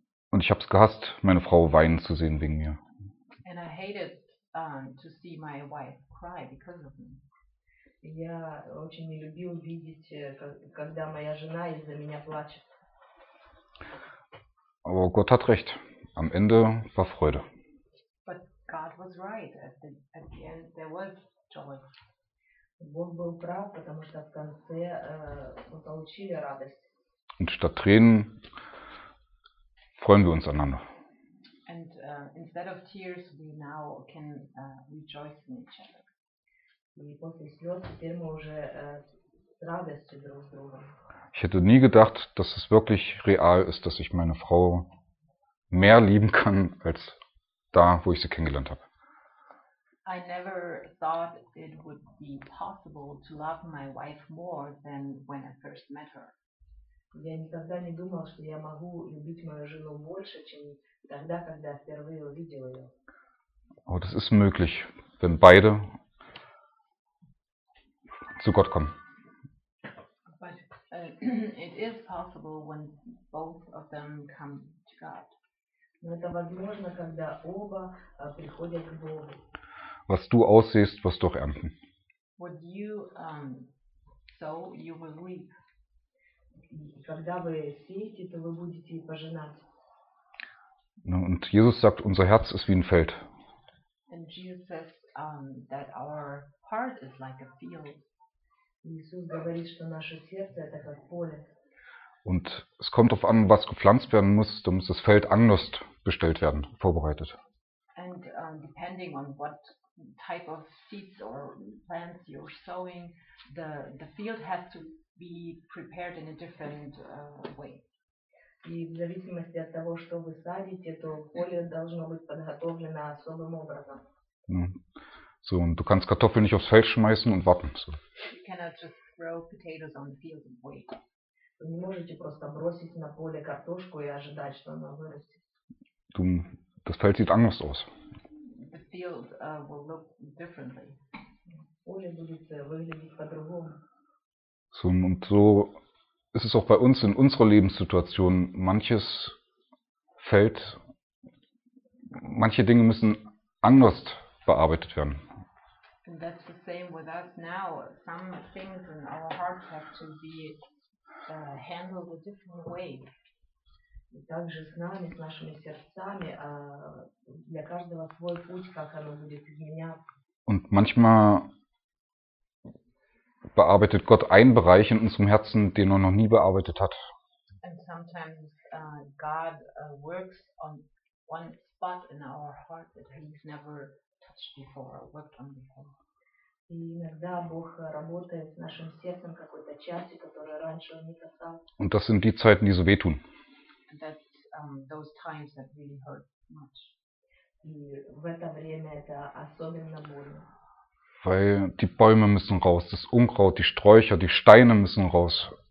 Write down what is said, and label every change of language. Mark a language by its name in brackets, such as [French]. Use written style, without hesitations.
[German] Und ich habe es gehasst, meine Frau weinen zu sehen wegen mir. [English] And I hated to see my wife cry because of me. [Russian] Я очень не любил видеть, когда моя жена из-за меня плачет. [German] Aber Gott hat recht. Am Ende war Freude. [English] But God was right. At the end there was joy. [Russian] Бог был прав, потому что в конце мы получили радость. [German] Und statt Tränen freuen wir uns aneinander. [English] And instead of tears, we now can rejoice in each other. [Russian] И после слез теперь мы уже с радостью друг с другом. [German] Ich hätte nie gedacht, dass es wirklich real ist, dass ich meine Frau mehr lieben kann als da, wo ich sie kennengelernt habe. [English] I never thought it would be possible to love my wife more than when I first met her. [Russian] Я никогда не думал, что я могу любить мою жену больше, чем тогда, когда впервые увидел ее. [German] Oh, das ist möglich, wenn beide zu Gott kommen. [English] But it is possible when both of them come to God. [Russian] Но это возможно, когда оба приходят к Богу. [German] Was du aussehst, wirst du auch ernten. [English] What you sow, you will reap. [Russian] Когда вы сеете, то вы будете пожинать. Ну, [German] und Jesus sagt, unser Herz ist wie ein Feld. [English] And Jesus says that our heart is like a field. [Russian] Иисус говорит, что наше сердце это как поле. [German] Und es kommt darauf an, was gepflanzt werden muss, dann muss das Feld anders bestellt werden, vorbereitet. [English] And depending on what type of seeds or plants you're sowing, the field has to be prepared in a different way. [Russian] И в зависимости от того, что вы садите, то поле должно быть подготовлено особым образом. [German] So, und du kannst Kartoffeln nicht aufs Feld schmeißen und warten. [English] So. You cannot just throw potatoes on the field and wait. [Russian] Вы не можете просто бросить на поле картошку и ожидать, что она вырастет. [German] Das Feld sieht anders aus. [English] The field will look differently. [Russian] Поле будет выглядеть по-другому. [German] So, und so ist es auch bei uns in unserer Lebenssituation. Manches Feld, manche Dinge müssen anders bearbeitet werden. [English] And that's the same with us now. Some things in our hearts have to be handled a different way. [Russian] И также с нами, с нашими сердцами, для каждого свой путь, как оно будет изменяться. [German] Und manchmal bearbeitet Gott einen Bereich in unserem Herzen, den er noch nie bearbeitet hat. [English] And sometimes God works on one spot in our heart that he's never touched before or worked on before. [Russian] И иногда Бог работает с нашим сердцем какой-то частью, которую раньше он не касался. [German] Und das sind die Zeiten, die so wehtun. [English] And that's those times that really hurt much. [Russian] И в это время это особенно больно. [German] Weil die Bäume müssen raus, das Unkraut, die Sträucher, die Steine müssen raus.